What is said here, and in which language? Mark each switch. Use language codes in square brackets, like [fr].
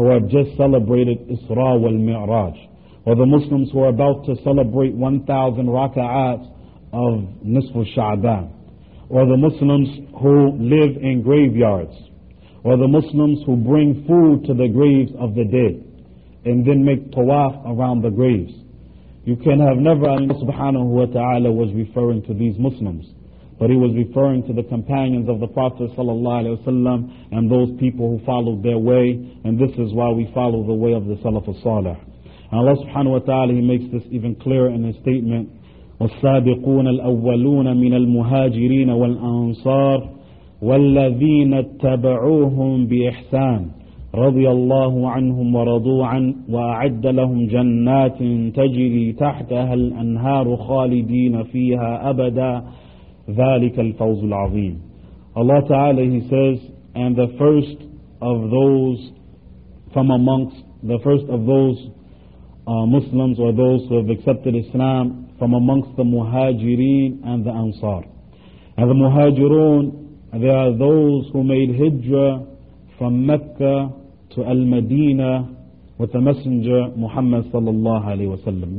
[en] just celebrated Isra wal Mi'raj, or the Muslims who are about to celebrate 1,000 raka'at of Nisf al-Sha'ban, or the Muslims who live in graveyards, or the Muslims who bring food to the graves of the dead and then make tawaf around the graves. You can have never, Allah subhanahu wa ta'ala was referring to these Muslims, but He was referring to the companions of the Prophet sallallahu alaihi wasallam and those people who followed their way. And this is why we follow the way of the Salaf al-Salih. And Allah subhanahu wa ta'ala, He makes this even clearer in His statement, [ar] وَالسَّابِقُونَ الْأَوَّلُونَ مِنَ الْمُهَاجِرِينَ وَالْأَنصَارِ وَالَّذِينَ اتَّبَعُوهُمْ بِإِحْسَانٍ رضي الله عنهم ورضوا عن وأعد لهم جنات تجري تحتها الأنهار خالدين فيها أبدا ذلك الفوز العظيم. [en] Allah Ta'ala, He says, and the first of those from amongst, the first of those Muslims or those who have accepted Islam from amongst the Muhajirin and the Ansar. And the Muhajirun, they are those who made Hijrah from Mecca to Al-Madina with the Messenger Muhammad sallallahu alaihi wasallam.